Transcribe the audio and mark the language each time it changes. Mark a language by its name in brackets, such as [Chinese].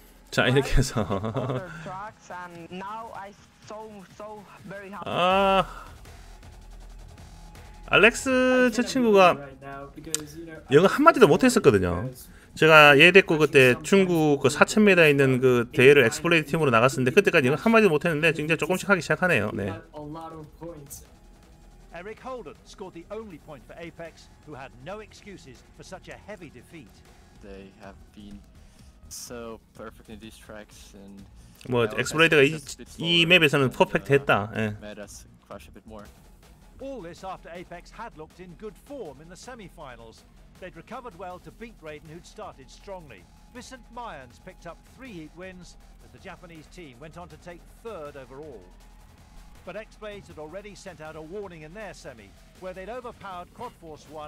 [Korean] 자, 이렇게 해서 알렉스 저 친구가 영어 한마디도 못 했었거든요. 제가 얘 데리고 그때 중국 그 4000m 있는 그 대회를 엑스플레이드 팀으로 나갔었는데 그때까지 이건 한마디도 못 했는데 이제 조금씩 하기 시작하네요. 네. [English] 에릭 홀든 scored the only point for Apex who had no excuses for such a heavy defeat. They have been so perfect in these tracks and [Korean] 뭐 엑스플레이드가 이 맵에서는 퍼펙트 했다. 예. [English] All this after Apex had looked in good form in the semi-finals. They'd recovered well to beat Raiden, who'd started strongly. Vincent Mayans picked up 3 heat wins as the Japanese team went on to take 3rd overall. But X-Blades had already sent out a warning in their semi, where they'd overpowered Quad Force 1.